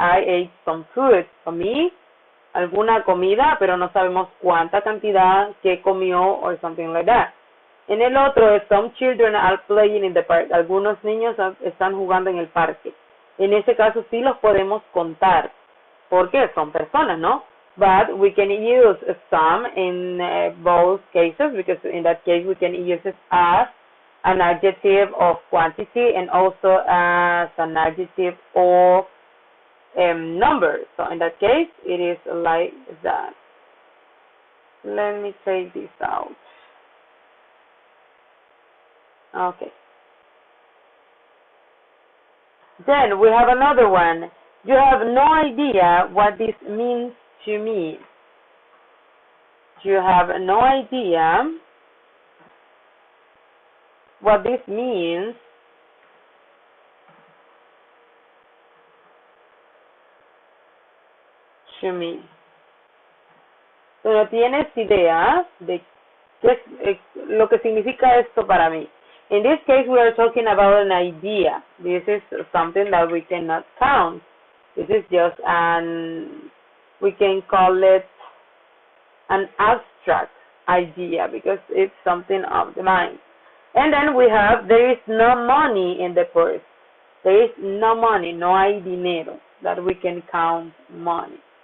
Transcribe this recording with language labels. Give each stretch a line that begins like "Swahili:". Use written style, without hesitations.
English: I ate some food.
Spanish: Comí alguna comida, pero no sabemos cuánta cantidad que comió
English: or something like that.
Spanish: En el otro es
English: some children are playing in the park.
Spanish: Algunos niños están jugando en el parque. En ese caso sí los podemos contar, porque son personas, ¿no?
English: But we can use some in both cases, because in that case we can use it as an adjective of quantity and also as an adjective of number. So in that case, it is like that. Let me take this out. Okay. Then we have another one. You have no idea what this means to me. You have no idea what this means to me.
Spanish: Pero tienes idea de qué es, lo que significa esto para mí.
English: In this case, we are talking about an idea. This is something that we cannot count. This is just an, we can call it an abstract idea, because it's something of the mind. And then we have, there is no money in the purse. There is no money,
Spanish: no hay dinero,
English: that we can count money.